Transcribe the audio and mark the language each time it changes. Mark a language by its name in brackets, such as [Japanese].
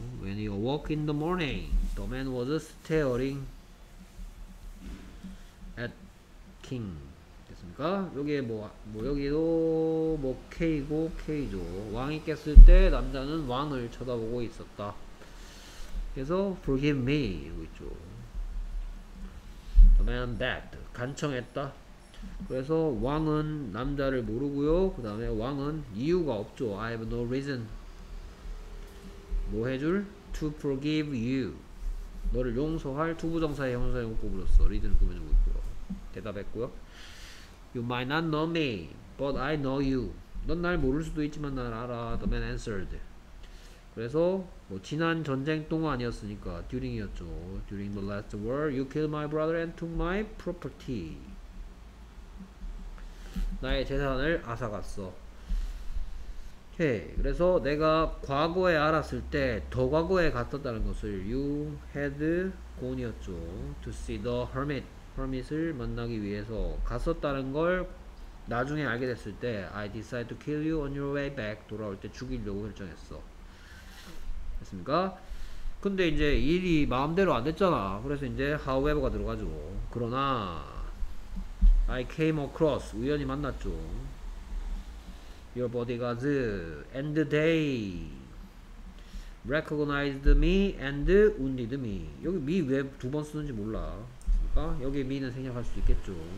[English] When he awoke in the morning, the man was staring at king. [Korean] 됐습니까? 여기에 뭐 여기도 뭐 K고 K죠. 왕이 깼을 때 남자는 왕을 쳐다보고 있었다. 그래서 forgive me 이거 있죠. [English] The man begged. [Korean] 간청했다. 그래서 왕은 남자를 모르고요. 그 다음에 왕은 이유가 없죠. [English] I have no reason. [Korean] 뭐 해줄? [English] To forgive you. [Korean] 너를 용서할 투부정사의 형사형을 꼽으셨어. 리드를 꾸며주고 있고요. 대답했고요. [English] You might not know me, but I know you. [Korean] 넌 날 모를 수도 있지만 날 알아. [English] The man answered. [Korean] 그래서 뭐 지난 전쟁 동안이었으니까 during이었죠. [English] During the last war, you killed my brother and took my property. [Korean] 나의 재산을 앗아갔어. 오케이. 그래서 내가 과거에 알았을 때 더 과거에 갔었다는 것을 [English] you had gone [Korean] 이었죠. [English] To see the hermit. [Korean] 허밋을 만나기 위해서 갔었다는 걸 나중에 알게 됐을 때 [English] I decided to kill you on your way back. [Korean] 돌아올 때 죽이려고 결정했어. 됐습니까? 근데 이제 일이 마음대로 안 됐잖아. 그래서 이제 however가 들어가죠. 그러나 [English] I came across, [Korean] 우연히 만났죠. [English] Your bodyguards and they recognized me and wounded me. [Korean] 여기 me 왜 두 번 쓰는지 몰라. 그러니까 여기 me는 생략할 수 있겠죠.